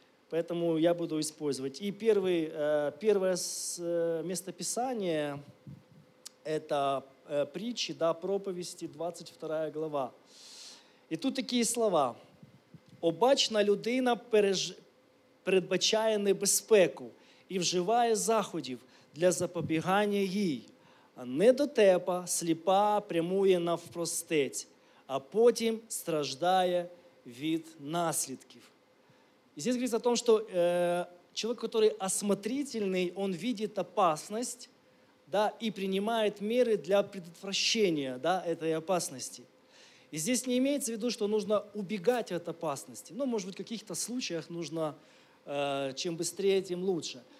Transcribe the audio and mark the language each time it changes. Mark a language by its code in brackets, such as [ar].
[ru] Поэтому я буду использовать. И первое местописание – это притчи, да, проповести, 22 глава. И тут такие слова. [uk] «Обачна людина передбачає небезпеку і вживає заходів для запобігання їй, а недотепа сліпа прямує навпростець, а потім страждає від наслідків». [ru] И здесь говорится о том, что человек, который осмотрительный, он видит опасность, да, и принимает меры для предотвращения, да, этой опасности. И здесь не имеется в виду, что нужно убегать от опасности. Ну, может быть, в каких-то случаях нужно, чем быстрее, тем лучше.